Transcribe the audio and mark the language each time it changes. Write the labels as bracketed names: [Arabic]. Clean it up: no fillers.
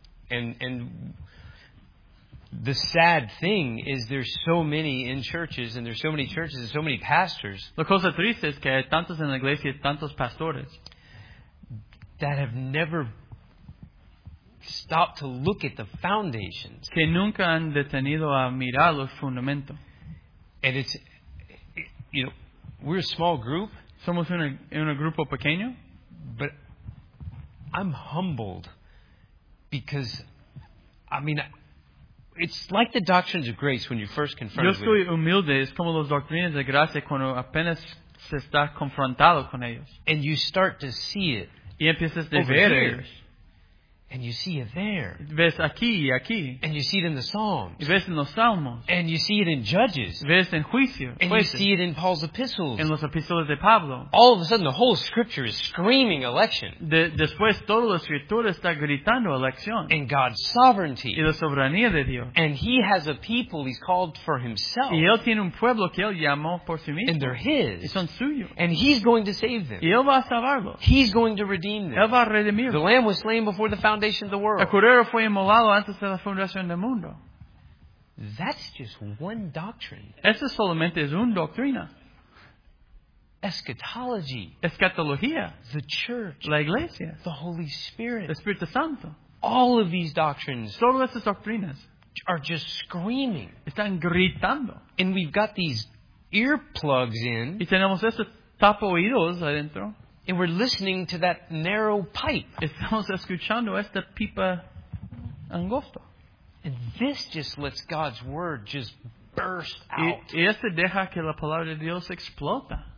[English] And the sad thing is there's so many in churches and there's so many churches and so many pastors. [Spanish] La cosa triste es que hay tantos en la iglesia y tantos pastores [English] that have never stopped to look at the foundations. [Spanish] Que nunca han detenido a mirar los fundamentos. [English] And it's, you know, we're a small group. [Spanish] Somos un grupo pequeño. [English] But I'm humbled because, I mean, it's like the doctrines of grace when you first confront. [Spanish] Yo estoy humilde. Es como las doctrinas de gracia cuando apenas se está confrontado con ellos. [English] And you start to see it. [Spanish] Y empiezas a ver. [English] And you see it there. [Spanish] Ves aquí y aquí. [English] And you see it in the Psalms. [Spanish] Y ves en los Salmos. [English] And you see it in Judges. [Spanish] Ves en Juicios. [English] And you see it in Paul's epistles. [Spanish] En los epístolas de Pablo. [English] All of a sudden, the whole Scripture is screaming election. [Spanish] Después, toda la Escritura está gritando elección. [English] And God's sovereignty. [Spanish] Y la soberanía de Dios. [English] And He has a people He's called for Himself. [Spanish] Y Él tiene un pueblo que Él llamó por sí mismo. [English] And they're His. [Spanish] Y son suyos. [English] And He's going to save them. [Spanish] Y Él va a salvarlos. [English] He's going to redeem them. [Spanish] Él va a redimirlos. [English] The Lamb was slain before the foundation. [Spanish] El cordero fue inmolado antes de la fundación del mundo. [English] That's just one doctrine. [Spanish] Eso solamente es una doctrina. [English] Eschatology. [Spanish] Escatología. [English] The church. [Spanish] La iglesia. [English] The Holy Spirit. [Spanish] El Espíritu Santo. [English] All of these doctrines. [Spanish] Todas estas doctrinas. [English] are just screaming. [Spanish] Están gritando. [English] And we've got these earplugs in. [Spanish] Y tenemos esos tapoídos adentro. [English] And we're listening to that narrow pipe. [Spanish] Estamos escuchando esta pipa angosto. [English] And this just lets God's word just burst out. [Spanish] Y este deja que la palabra de Dios explota.